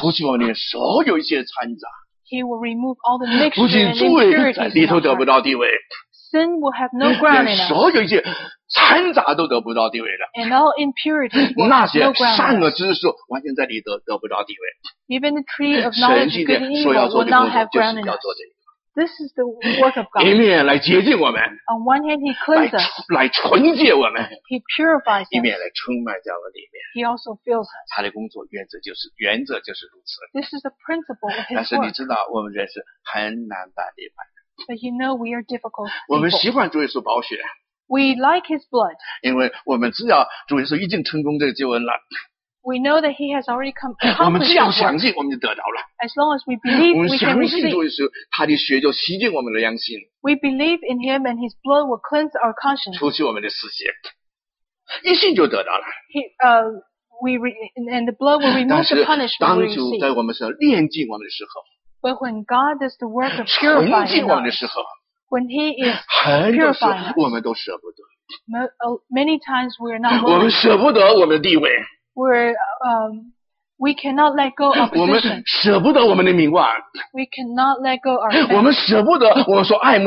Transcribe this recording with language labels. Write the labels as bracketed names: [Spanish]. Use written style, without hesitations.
[Chinese] 除去我们的所有一些残渣 [English] He will remove all the mixture [Chinese] 不仅罪在里头得不到地位 [English] Sin will have no ground in us. [Chinese] 所有一切残杂都得不到地位的。 [English] And all impurities will have no ground. [Chinese] 那些善恶之树完全在里头得不到地位。 [English] Even the tree of knowledge of good and evil will not have ground in us. This is the work of God. [Chinese] 一面来洁净我们。 [English] On one hand, He cleanses us. [Chinese] 来纯洁我们。 [English] He purifies us. [Chinese] 一面来充满在我里面。 [English] He also fills us. [Chinese] 他的工作原则就是如此。 [English] This is the principle of His work. [Chinese] 但是你知道，我们人是很难办的一般。 [English] But you know we are difficult people. [Chinese] 我们喜欢主耶稣宝血。 [English] We like his blood. [Chinese] 因为我们知道主耶稣已经成功这个救恩了。 [English] We know that he has already come. [Chinese] 我们只要相信，我们就得到了。 [English] As long as we believe, we can receive. [Chinese] 我们相信主耶稣，他的血就洗净我们的良心。 [English] We believe in him, and his blood will cleanse our conscience. [Chinese] 除去我们的死邪，一信就得到了。 [English] And the blood will remove the punishment we receive. [Chinese] 但是，当主在我们身上炼净我们的时候。 [English] But when God does the work of purifying us, when He is purifying us, many times we are not willing to. We cannot let go of our position. We cannot let go of our fame.